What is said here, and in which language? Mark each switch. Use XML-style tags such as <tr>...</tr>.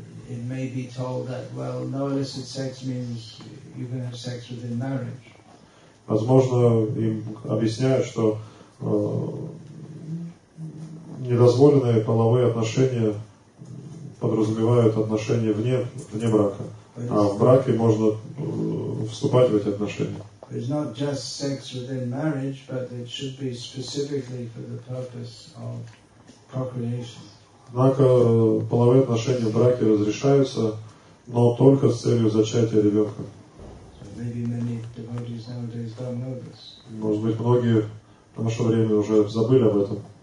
<en>It may be told that, well, no illicit sex means you can have sex within marriage.</en> <ru>Возможно, им объясняют, что недозволенные половые отношения подразумевают отношения вне брака. А в браке можно вступать в эти отношения.</ru> <en>It's not just sex within marriage, but it should be specifically for the purpose of procreation.</en> <ru>Однако половые отношения в браке разрешаются, но только с целью зачатия ребенка.</ru> <en>Maybe many devotees nowadays don't know this.</en> <ru>Может быть, многие в наше время уже забыли об этом.</ru>